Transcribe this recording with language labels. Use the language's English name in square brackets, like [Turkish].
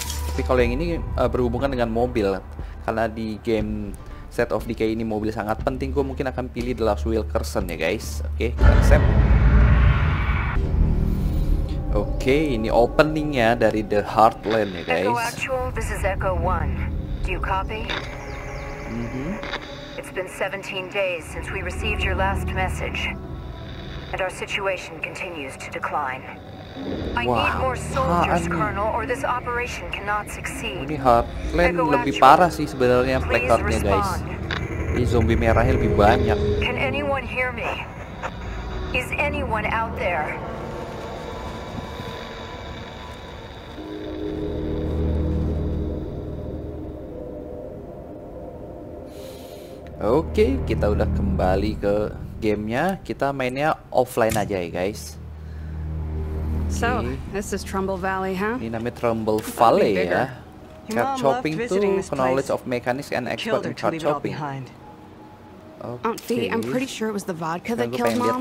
[Indonesian] Tapi kalau yang ini berhubungan dengan mobil. Karena di game State of Decay ini mobil sangat penting, gue mungkin akan pilih The Lost Wilkerson ya guys. Oke, kita accept. Oke, ini openingnya dari The Heartland ya guys. [English] Echo Actual, this is Echo One. Do you copy? It's been 17 days since we received your last message, and our situation continues to decline. Wow. I need more soldiers, Colonel, or this operation cannot succeed. [Indonesian] Ini Heartland Echo lebih Actual, parah sih sebenarnya Black Heart-nya guys. Ini zombie merahnya lebih banyak. [English] Can anyone hear me? Is anyone out there? [Indonesian] Oke, kita udah kembali ke gamenya. Kita mainnya offline aja ya guys. [English] So, this is Trumbull Valley, huh? [Indonesian] Ini namanya Trumbull Valley ya. [English] Card shopping tuh, knowledge of mechanics and expert in card shopping. Auntie, I'm pretty sure it was the vodka that killed mom.